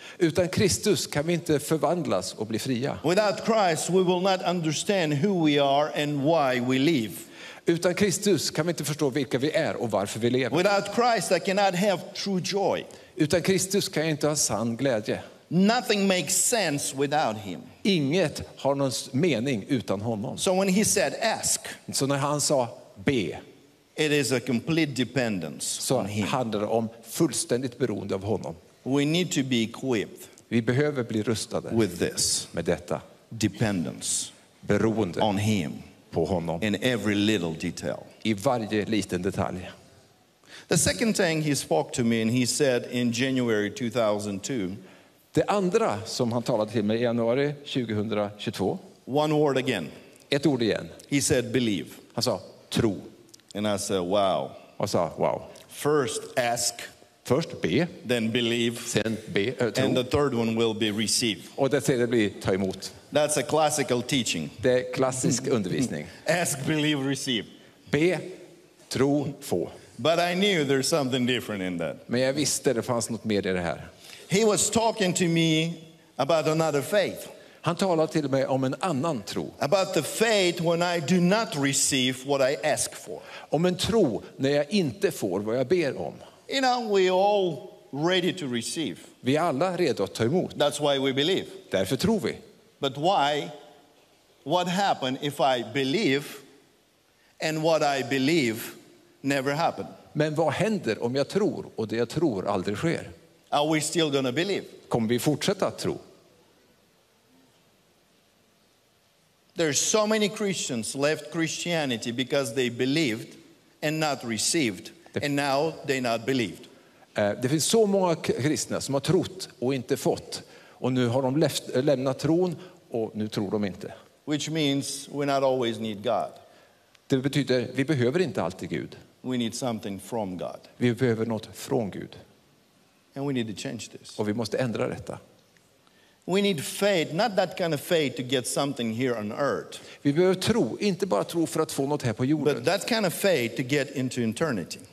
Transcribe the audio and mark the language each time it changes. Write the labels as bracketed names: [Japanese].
[Swedish] Utan Kristus kan vi inte förvandlas och bli fria. [English] Without Christ we will not understand who we are and why we live. [Swedish] Utan Kristus kan vi inte förstå vilka vi är och varför vi lever. [English] Without Christ I cannot have true joy. [Swedish] Utan Kristus kan jag inte ha sann glädje. [English] Nothing makes sense without him. [Swedish] Inget har någon mening utan honom. [English] So when he said ask, [Swedish] så när han sa be, [English] it is a complete dependence on him. [Swedish] Så handlar det om fullständigt beroende av honom. [English] We need to be equipped. [Swedish] Vi behöver bli rustade. [English] With this, [Swedish] med detta [English] dependence, [Swedish] beroende [English] on him, [Swedish] på honom. [English] In every little detail. [Swedish] I varje liten detalj. [English] The second thing he spoke to me and he said in January 2002. [Swedish] Det andra som han talade till mig i januari 2022. [English] One word again. [Swedish] Ett ord igen. [English] He said believe. [Swedish] Han sa tro. [English] And I said wow. [Swedish] Jag sa wow. [English] First ask. [Swedish] Först be. [English] Then believe. [Swedish] Sen be. [English] And the third one will be receive. [Swedish] Och det tredje blir ta emot. [English] That's a classical teaching. [Swedish] Det är klassisk undervisning. [English] Ask, believe, receive. [Swedish] Be, tro, få. [English] But I knew there's something different in that. [Swedish] Men jag visste det fanns något mer i det här. [English] He was talking to me about another faith. [Swedish] Han talade till mig om en annan tro. [English] About the faith when I do not receive what I ask for. [Swedish] Om en tro när jag inte får vad jag ber om. [English] You know, we all ready to receive. [Swedish] Vi är alla redo att ta emot. [English] That's why we believe. [Swedish] Därför tror vi. [English] But why? What happened if I believe and what I believe never happened? [Swedish] Men vad händer om jag tror och det jag tror aldrig sker? [English] Are we still gonna believe? [Swedish] Kommer vi fortsätta att tro? [English] There's so many Christians left Christianity because they believed and not received, and now they not believed. [Swedish] Det finns så många kristna som har trott och inte fått, och nu har de lämnat tron och nu tror de inte. [English] Which means we not always need God. [Swedish] Det betyder vi behöver inte alltid Gud. [English] We need something from God. [Swedish] Vi behöver något från Gud. [English] And we need to change this. [Swedish] Och vi måste ändra detta. [English] We need faith, not that kind of faith to get something here on earth. [Swedish] Vi behöver tro, inte bara tro för att få något här på jorden. [English] But that kind of faith to get into eternity.